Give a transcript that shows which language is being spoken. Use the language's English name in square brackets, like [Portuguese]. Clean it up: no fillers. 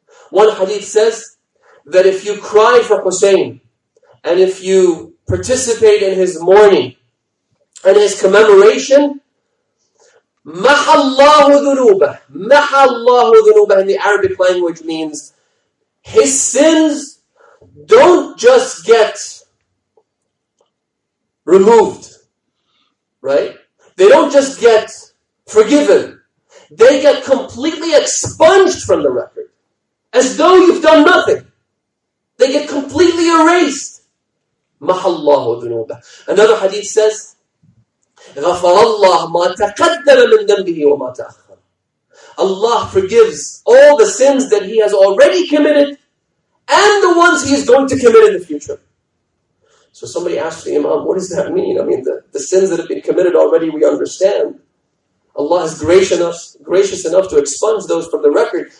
[English] One hadith says that if you cry for Hussein, and if you participate in his mourning, and his commemoration, [Arabic] maha Allahu dhunubah [English] in the Arabic language means his sins don't just get removed, right? They don't just get forgiven. They get completely expunged from the record as though you've done nothing. They get completely erased. [Arabic] Maha Allahu dhunubah. [English] Another hadith says, [Arabic] غَفَرَ اللَّهُ مَا تَقَدَّرَ مِنْ دَنْبِهِ وَمَا تَأْخَرَ. [English] Allah forgives all the sins that He has already committed and the ones He is going to commit in the future. So somebody asked the Imam, what does that mean? I mean, the sins that have been committed already, we understand. Allah is gracious enough to expunge those from the record.